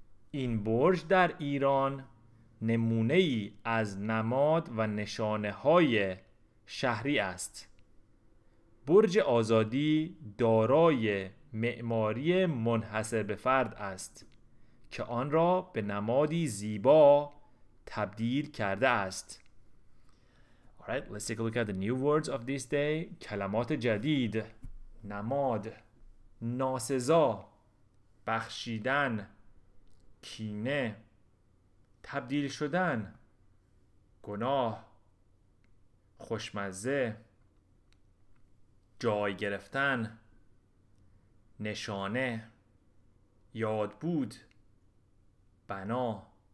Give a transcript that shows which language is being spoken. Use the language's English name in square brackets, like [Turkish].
[Persian] این برج در ایران نمونه ای از نماد و نشانه های شهری است. برج آزادی دارای معماری منحصر به فرد است که آن را به نمادی زیبا تبدیل کرده است. [English] Alright, let's take a look at the new words of this day. [Persian] کلمات جدید: نماد، ناسزا، بخشیدن، کینه، تبدیل شدن، گناه، خوشمزه، جای گرفتن، نشانه، یاد بود، بنا،